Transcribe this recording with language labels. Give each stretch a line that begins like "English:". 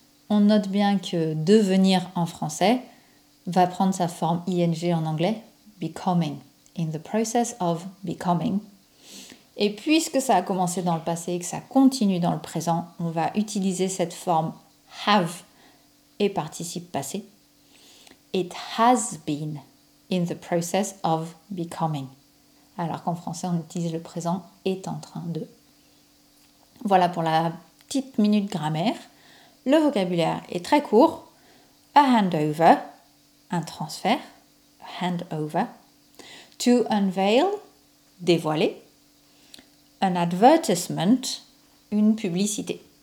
French: On note bien que devenir en français va prendre sa forme ing en anglais,
English: becoming, in the process of becoming.
French: Et puisque ça a commencé dans le passé et que ça continue dans le présent, on va utiliser cette forme have et participe passé.
English: It has been in the process of becoming.
French: Alors qu'en français, on utilise le présent est en train de. Voilà pour la petite minute grammaire. Le vocabulaire est très court.
English: A handover,
French: un transfert.
English: A handover. To unveil, dévoiler. An advertisement,
French: une publicité.